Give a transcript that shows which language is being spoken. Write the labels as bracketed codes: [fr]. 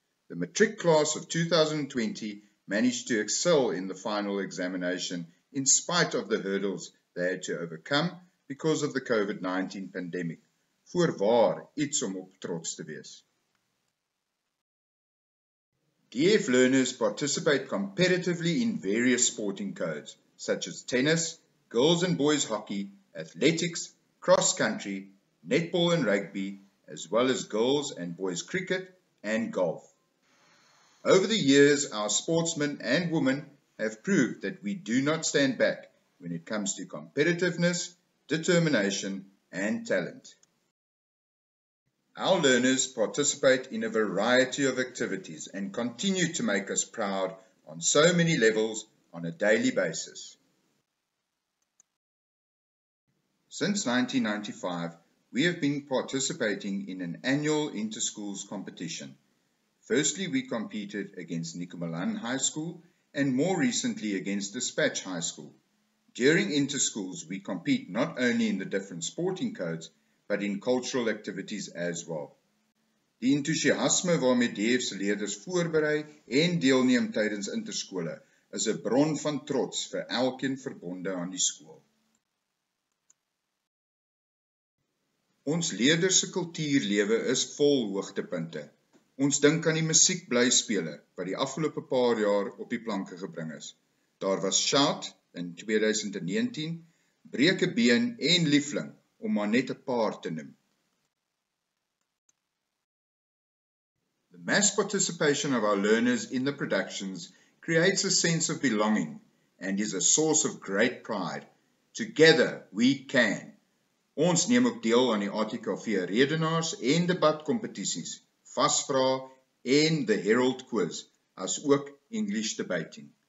[en] The matric class of 2020 managed to excel in the final examination in spite of the hurdles they had to overcome because of the COVID-19 pandemic. [af] Voorwaar iets om op trots te wees. [en] DF learners participate competitively in various sporting codes, such as tennis, girls and boys hockey, athletics, cross country, netball and rugby, as well as girls and boys cricket and golf. Over the years, our sportsmen and women have proved that we do not stand back when it comes to competitiveness, determination and talent. Our learners participate in a variety of activities and continue to make us proud on so many levels on a daily basis. Since 1995, we have been participating in an annual inter-schools competition. Firstly, we competed against Nicomalan High School and more recently against Dispatch High School. During inter-schools, we compete not only in the different sporting codes, but in cultural activities as well. [af] Die entoesiasme waarmee DF se leerders voorberei en deelneem tydens interskole is 'n bron van trots vir elkeen verbonde aan die skool. Ons leerders se kultuurlewe is vol hoogtepunte. Ons dink aan die musiek blyspele wat die afgelope paar jaar op die planke gebring is. Daar was Shout in 2019, Breke Been en Liefling om maar net 'n paar te noem. [en] Mass participation of our learners in the productions creates a sense of belonging and is a source of great pride. Together we can. [af] Ons neem ook deel aan die ATKV redenaars en debatkompetisies, vasvra en the Herald quiz, as ook [en] English debating.